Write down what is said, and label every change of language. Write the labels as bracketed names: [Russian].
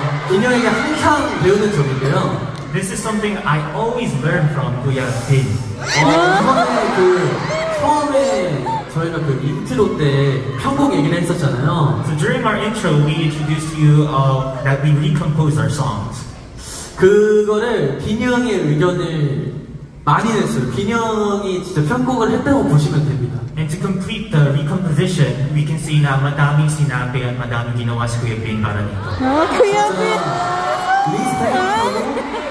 [Korean] 인형에게 항상 배우는 점인데요. [English] This is something I always learn from Kuya Bin. [Korean] 이번에 그 처음에 저희가 그 인트로 때 편곡 얘기를 했었잖아요. [English] So during our intro, we introduced you that we recompose our songs. 그거를 빈 형의 의견을 많이 냈어요. 빈 형이 진짜 편곡을 했다고 보시면 됩니다. And to complete the recomposition, we can see that [Filipino] Madami Sinabe [English] and [Filipino] Madami Ginawa si Kuya Bin para nito. [English] Kuya Bin!